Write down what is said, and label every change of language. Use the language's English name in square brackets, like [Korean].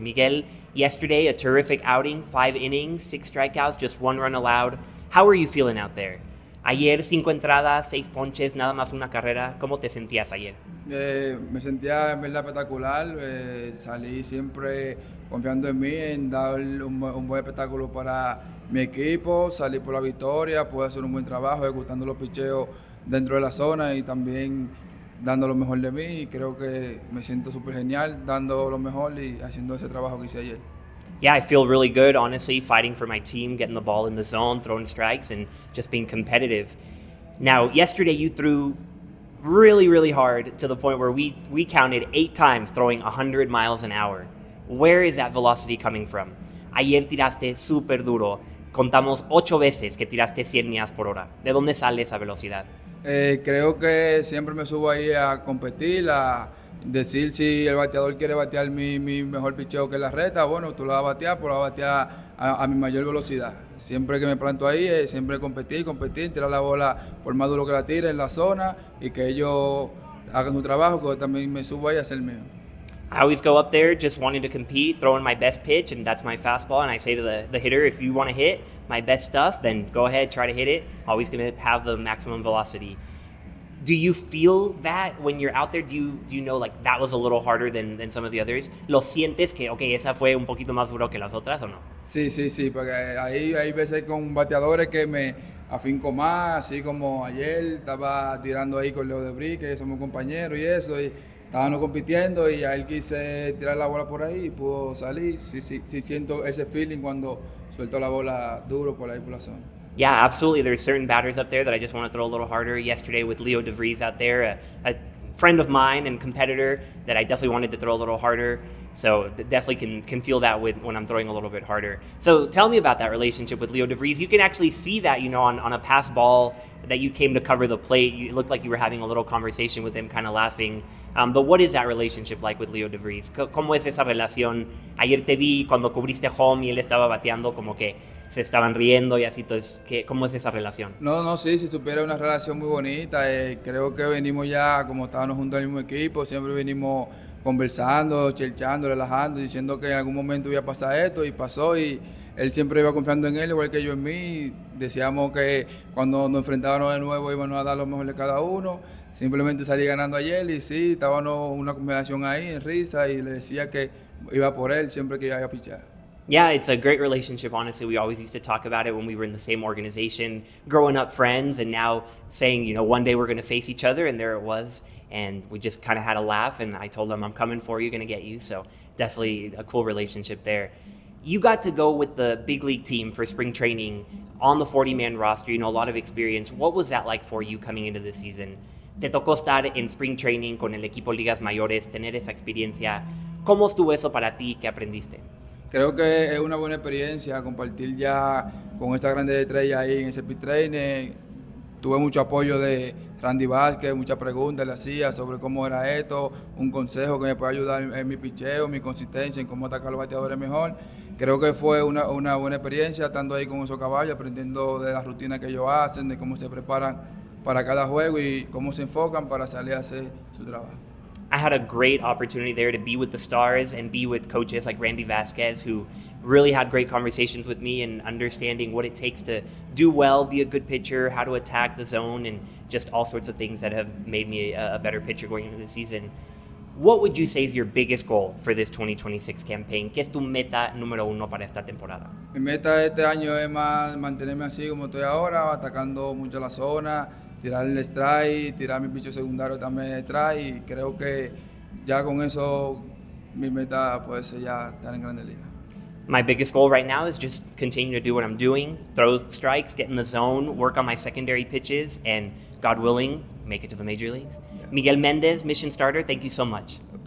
[English] Miguel, yesterday a terrific outing, 5 innings, 6 strikeouts, just 1 run allowed. How are you feeling out there? [Spanish] Ayer, 5 entradas, 6 ponches, nada más una carrera. ¿Cómo te sentías ayer? Me sentía en verdad espectacular. Salí siempre confiando en mí, en dar un buen espectáculo para mi equipo. Salí por la victoria, pude hacer un buen trabajo ejecutando los picheos dentro de la zona y también dando lo mejor de mí. Y creo que me siento súper genial dando lo mejor y haciendo ese trabajo que hice ayer. [English] Yeah, I feel really good, honestly, fighting for my team, getting the ball in the zone, throwing strikes, and just being competitive. Now, yesterday you threw really, really hard to the point where we counted 8 times throwing 100 miles an hour. Where is that velocity coming from? [Spanish] Ayer tiraste súper duro. Contamos 8 veces que tiraste 100 millas por hora. ¿De dónde sale esa velocidad? Creo que siempre me subo ahí a competir, a decir si el bateador quiere batear mi mejor picheo que la reta, bueno, tú la vas a batear, pues la vas a batear a mi mayor velocidad. Siempre que me planto ahí, siempre competí, tirar la bola por más duro que la tire en la zona y que ellos hagan su trabajo, que yo también me subo ahí a hacer el mío. [English] I always go up there just wanting to compete, throwing my best pitch, and that's my fastball. And I say to the hitter, if you want to hit my best stuff, then go ahead, try to hit it. Always going to have the maximum velocity. Do you feel that when you're out there? Do you know like that was a little harder than some of the others? [Spanish] ¿Lo sientes que, okay, esa fue un poquito más duro que las otras o no? Sí, porque ahí hay veces con bateadores que me afinco más, así como ayer estaba tirando ahí con Leo de Brick, que somos compañeros y eso, y estaban compitiendo y a él quise tirar la bola por ahí y pudo salir. Sí, siento ese feeling cuando suelto la bola duro por ahí por la zona. [English] Yeah, absolutely. There's certain batters up there that I just want to throw a little harder. Yesterday with Leo DeVries out there, a friend of mine and competitor that I definitely wanted to throw a little harder. So definitely can feel that with when I'm throwing a little bit harder. So tell me about that relationship with Leo DeVries. You can actually see that, you know, on a pass ball that you came to cover the plate. You, it looked like you were having a little conversation with him, kind of laughing. But what is that relationship like with Leo DeVries? [Spanish] ¿Cómo es esa relación? Ayer te vi cuando cubriste home y él estaba bateando como que se estaban riendo y así. Entonces, ¿cómo es esa relación? No, sí, si supiera una relación muy bonita. Creo que venimos ya, como estábamos juntos en el mismo equipo, siempre venimos conversando, chelchando, relajando, diciendo que en algún momento iba a pasar esto y pasó y él siempre iba confiando en él, igual que yo en mí. Decíamos que cuando nos enfrentábamos de nuevo íbamos a dar lo mejor de cada uno. Simplemente salí ganando ayer y sí, estábamos una combinación ahí en risa y le decía que iba por él siempre que iba a pichar. [English] Yeah, it's a great relationship, honestly. We always used to talk about it when we were in the same organization, growing up friends, and now saying, you know, one day we're going to face each other, and there it was. And we just kind of had a laugh, and I told him, I'm coming for you, going to get you. So definitely a cool relationship there. You got to go with the big league team for spring training on the 40-man roster, you know, a lot of experience. What was that like for you coming into this season? [Spanish] Te tocó estar en spring training con el equipo Ligas Mayores, tener esa experiencia. ¿Cómo estuvo eso para ti? ¿Qué aprendiste? Creo que es una buena experiencia compartir ya con esta grande estrella ahí en ese pit training. Tuve mucho apoyo de Randy Vázquez, muchas preguntas le hacía sobre cómo era esto, un consejo que me puede ayudar en mi picheo, mi consistencia, en cómo atacar a los bateadores mejor. Creo que fue una buena experiencia estando ahí con esos caballos, aprendiendo de las rutinas que ellos hacen, de cómo se preparan para cada juego y cómo se enfocan para salir a hacer su trabajo. [English] I had a great opportunity there to be with the stars and be with coaches like Randy Vázquez, who really had great conversations with me and understanding what it takes to do well, be a good pitcher, how to attack the zone, and just all sorts of things that have made me a better pitcher going into the season. What would you say is your biggest goal for this 2026 campaign? [Spanish] ¿Qué es tu meta número uno para esta temporada? Mi meta este año es más mantenerme así como estoy ahora, atacando mucho la zona, tirar el strike, tirar mi picho secundario también detrás, y creo que ya con eso mi meta puede ser ya estar en Grandes Ligas. [English] My biggest goal right now is just continue to do what I'm doing, throw strikes, get in the zone, work on my secondary pitches, and God willing, make it to the major leagues. Yeah. Miguel Mendez, mission starter, thank you so much.